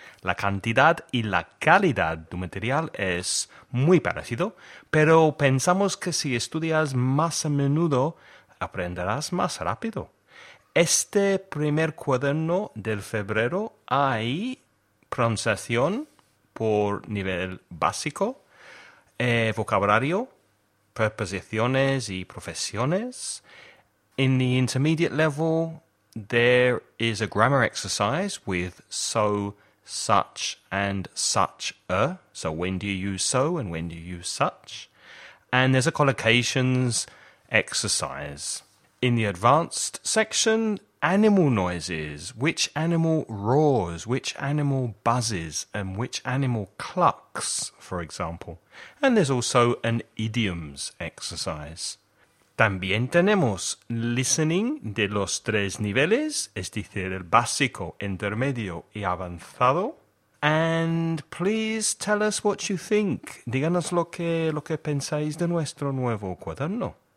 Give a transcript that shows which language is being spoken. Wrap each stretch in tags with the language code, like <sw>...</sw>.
<es>La cantidad y la calidad del material es muy parecido, pero pensamos que si estudias más a menudo, aprenderás más rápido. Este primer cuaderno del febrero hay pronunciación por nivel básico, vocabulario, preposiciones y profesiones.</es> <en>In the intermediate level, there is a grammar exercise with so, such, and such a. So when do you use so and when do you use such? And there's a collocations exercise. In the advanced section, animal noises. Which animal roars, which animal buzzes, and which animal clucks, for example. And there's also an idioms exercise.</en> <es>También tenemos listening de los tres niveles, es decir, el básico, intermedio y avanzado.</es> <en>And please tell us what you think.</en> <es>Díganos lo que pensáis de nuestro nuevo cuaderno.</es>